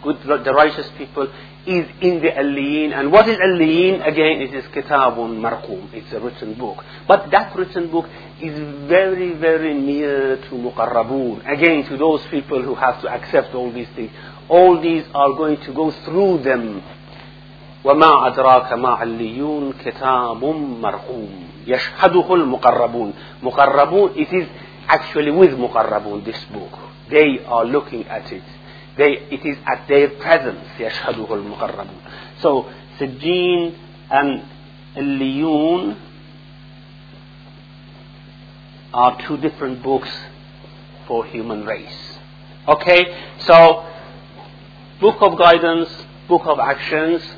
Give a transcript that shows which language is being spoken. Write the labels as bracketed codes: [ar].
[en] good, the righteous people, is in the Aliyin. And what is Aliyin? Again, it is Kitabun Marqum. It's a written book. But that written book is very, very near to Muqarrabun. Again, to those people who have to accept all these things. All these are going to go through them. [ar] وَمَا أَدْرَاكَ مَا عَلِّيُّونَ كِتَابٌ مَرْقُومٌ يَشْهَدُهُ الْمُقَرَّبُونَ مُقَرَّبُونَ [en] It is actually with Muqarrabun, this book. They are looking at it. It is at their presence. [ar] يَشْهَدُهُ الْمُقَرَّبُونَ [en] So, سِجِّين and الليون are two different books for human race. Okay? So, Book of Guidance, Book of Actions.